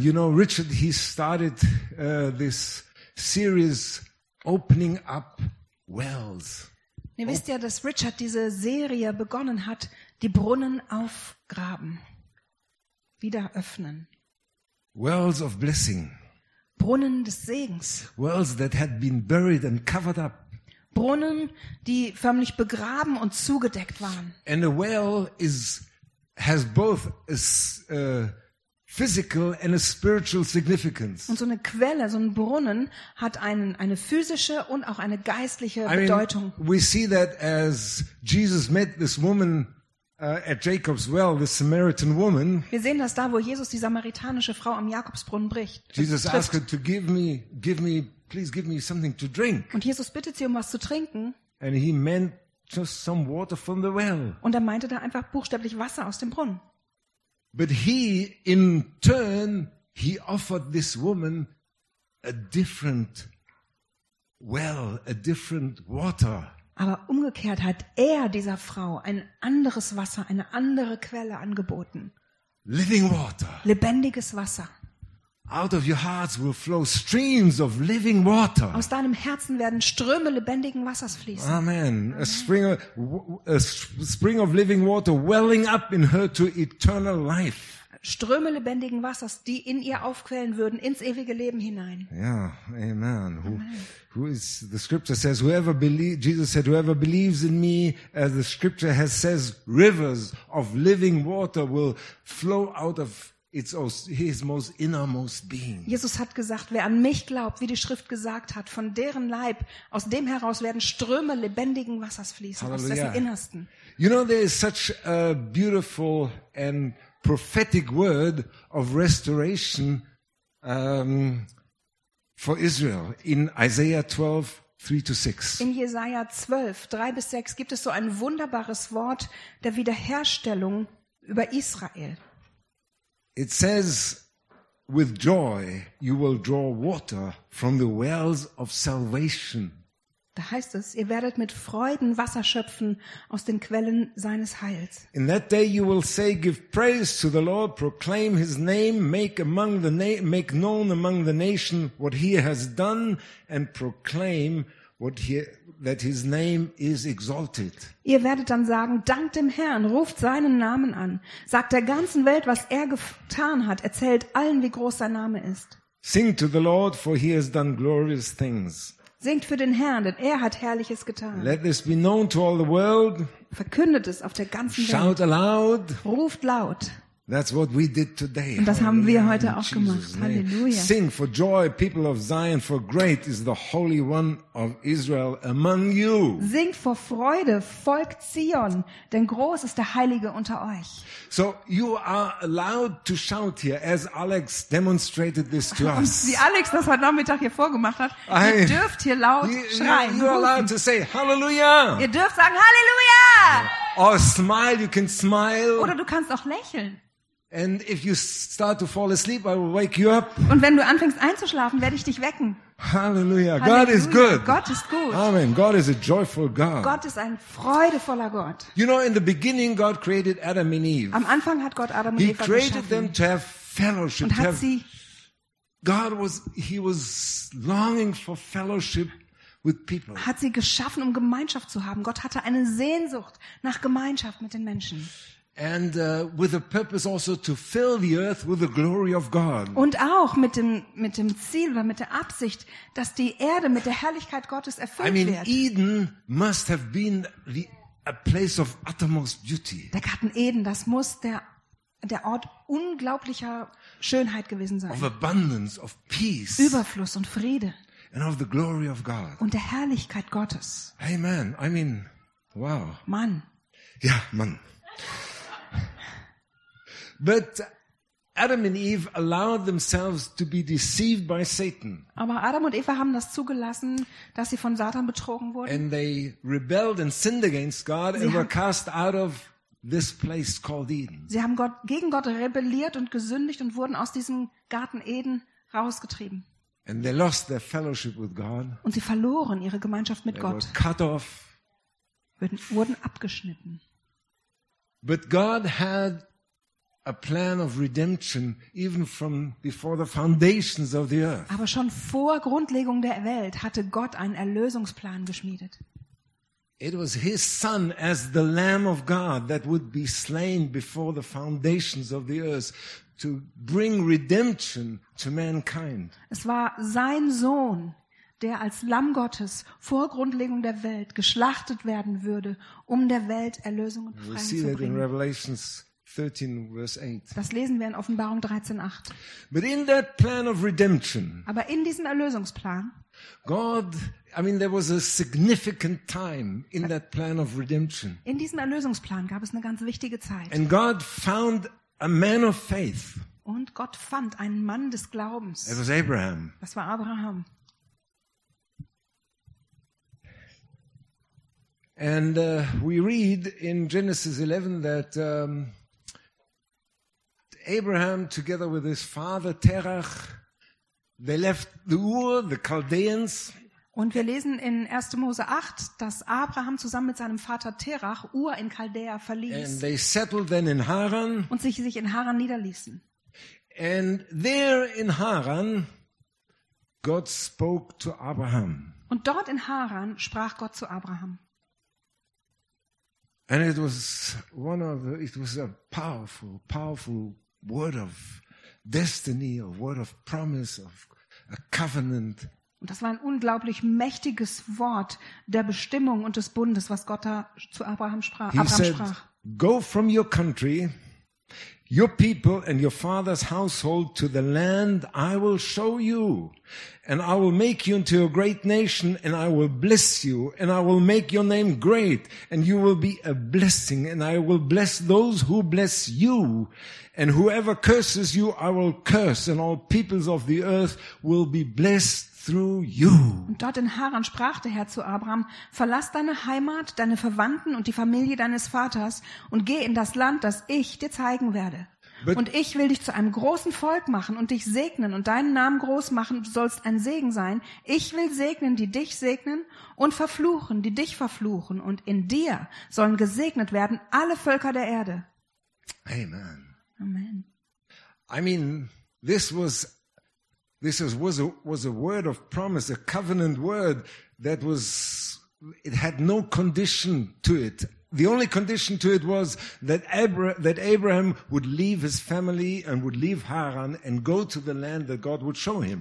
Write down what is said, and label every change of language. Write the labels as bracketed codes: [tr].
[en] You know, Richard, he started this series opening up wells. [de] Ihr wisst ja, dass Richard diese Serie begonnen hat, die Brunnen aufgraben, wieder öffnen. [en] Wells of blessing. [de] Brunnen des Segens. [en] Wells that had been buried and covered up. [de] Brunnen, die förmlich begraben und zugedeckt waren. [en] And a well is has both a physical and a spiritual significance. [de] Und so eine Quelle, so ein Brunnen hat eine physische und auch eine geistliche Bedeutung. [en] I mean, we see that as Jesus met this woman at Jacob's well, the Samaritan woman. [de] Wir sehen das da, wo Jesus die samaritanische Frau am Jakobsbrunnen bricht. [en] Jesus asked her to give me something to drink. [de] Und Jesus bittet sie, um was zu trinken. [en] And he meant just some water from the well. [de] Und er meinte da einfach buchstäblich Wasser aus dem Brunnen. [en] But he, in turn, he offered this woman a different well, a different water. [de] Aber umgekehrt hat dieser Frau ein anderes Wasser, eine andere Quelle angeboten. [en] Living water. [de] Lebendiges Wasser. [en] Out of your hearts will flow streams of living water. [de] Aus deinem Herzen werden Ströme lebendigen Wassers fließen. [en] Amen. Amen. A spring of living water welling up in her to eternal life. [de] Ströme lebendigen Wassers, die in ihr aufquellen würden ins ewige Leben hinein. Ja, yeah, amen. [en] Who is the scripture says whoever believes, Jesus said, whoever believes in me, as the scripture has says, rivers of living water will flow out of it's his most innermost being. [de] Jesus hat gesagt, wer an mich glaubt, wie die Schrift gesagt hat, von deren Leib, aus dem heraus werden Ströme lebendigen Wassers fließen. Halleluja. Aus dessen Innersten. [en] You know, there is such a beautiful and prophetic word of restoration for Israel in Isaiah 12:3-6. [de] In Jesaja 12:3-6 gibt es so ein wunderbares Wort der Wiederherstellung über Israel. [en] It says, with joy you will draw water from the wells of salvation. [de] Da heißt es, ihr werdet mit Freuden Wasser schöpfen aus den Quellen seines Heils. [en] In that day you will say, give praise to the Lord, proclaim his name, make known among the nation what he has done, and proclaim that his name is exalted. [de] Ihr werdet dann sagen, dankt dem Herrn, ruft seinen Namen an, sagt der ganzen Welt, was getan hat, erzählt allen, wie groß sein Name ist. [en] Sing to the Lord, for he has done glorious things. [de] Singt für den Herrn, denn hat Herrliches getan. [en] Let this be known to all the world. [de] Verkündet es auf der ganzen Welt. [en] Shout aloud. [de] Ruft laut. [en] That's what we did today. [de] Und das haben wir heute auch gemacht. Halleluja. [en] Sing for joy, people of Zion, for great is the Holy One of Israel among you. [de] Singt vor Freude, Volk Zion, denn groß ist der Heilige unter euch. [en] So you are allowed to shout here, as Alex demonstrated this to us. [de] Wie Alex das heute Nachmittag hier vorgemacht hat, ihr dürft hier laut schreien. [en] You are allowed to say hallelujah. [de] Ihr dürft sagen Halleluja. [en] Or smile, you can smile. [de] Oder du kannst auch lächeln. [en] And if you start to fall asleep, I will wake you up. [de] Und wenn du anfängst einzuschlafen, werde ich dich wecken. [en] Hallelujah. God is good. [de] Gott ist gut. [en] Amen. God is a joyful God. [de] Gott ist ein freudevoller Gott. [en] You know, in the beginning God created Adam and Eve. [de] Am Anfang hat Gott Adam und Eva geschaffen. [en] He created them to have fellowship. [de] Und hat sie [en] he was longing for fellowship with people. [de] Hat sie geschaffen, um Gemeinschaft zu haben. Gott hatte eine Sehnsucht nach Gemeinschaft mit den Menschen. [en] And with a purpose also to fill the earth with the glory of God. [de] Und auch mit dem Ziel oder mit der Absicht, dass die Erde mit der Herrlichkeit Gottes erfüllt wird. [en] I mean, Eden must have been a place of uttermost beauty. [de] Der Garten Eden, das muss der Ort unglaublicher Schönheit gewesen sein. [en] Of abundance of peace. [de] Überfluss und Friede. [en] And of the glory of God. [de] Und der Herrlichkeit Gottes. [en] Amen. I mean, wow. [de] Mann. Ja, Mann. [en] But Adam and Eve allowed themselves to be deceived by Satan. [de] Aber Adam und Eva haben das zugelassen, dass sie von Satan betrogen wurden. [en] And they rebelled and sinned against God and were cast out of this place called Eden. [de] Sie haben gegen Gott rebelliert und gesündigt und wurden aus diesem Garten Eden rausgetrieben. [en] And they lost their fellowship with God. [de] Und sie verloren ihre Gemeinschaft mit Gott. [en] Cut off. [de] Wurden abgeschnitten. [en] But God had a plan of redemption even from before the foundations of the earth. [de] Aber schon vor Grundlegung der Welt hatte Gott einen Erlösungsplan geschmiedet. [en] It was his son as the lamb of God that would be slain before the foundations of the earth to bring redemption to mankind. [de] Es war sein Sohn, der als Lamm Gottes vor Grundlegung der Welt geschlachtet werden würde, um der Welt Erlösung und Befreiung zu bringen. [en] In Revelation 13, verse 8. [de] Das lesen wir in Offenbarung 13, 8. [en] But in that plan of redemption, [de] aber in diesem Erlösungsplan, [en] God, I mean, there was a significant time in that plan of redemption. [de] In diesem Erlösungsplan gab es eine ganz wichtige Zeit. [en] And God found a man of faith. [de] Und Gott fand einen Mann des Glaubens. [en] It was Abraham. [de] Das war Abraham. [en] And we read in Genesis 11 that Abraham, together with his father Terach, they left the Ur, the Chaldeans. [de] Und wir lesen in 1. Mose 8, dass Abraham zusammen mit seinem Vater Terach Ur in Chaldea verließ. [en] And they settled then in Haran. [de] Und sich in Haran niederließen. [en] And there in Haran, God spoke to Abraham. [de] Und dort in Haran sprach Gott zu Abraham. [en] And it was a powerful, powerful word of destiny, a word of promise, of a covenant. [de] Und das war ein unglaublich mächtiges Wort der Bestimmung und des Bundes, was Gott da zu Abraham sprach. [en] He said, go from your country, your people and your father's household to the land I will show you, and I will make you into a great nation, and I will bless you, and I will make your name great, and you will be a blessing, and I will bless those who bless you, and whoever curses you I will curse, and all peoples of the earth will be blessed through you. [de] Und dort in Haran sprach der Herr zu Abraham: Verlass deine Heimat, deine Verwandten und die Familie deines Vaters und geh in das Land, das ich dir zeigen werde. Und ich will dich zu einem großen Volk machen und dich segnen und deinen Namen groß machen. Du sollst ein Segen sein. Ich will segnen, die dich segnen und verfluchen, die dich verfluchen. Und in dir sollen gesegnet werden alle Völker der Erde. Amen. Amen. [en] I mean, this was a word of promise, a covenant word that was, it had no condition to it. The only condition to it was that Abraham would leave his family and would leave Haran and go to the land that God would show him.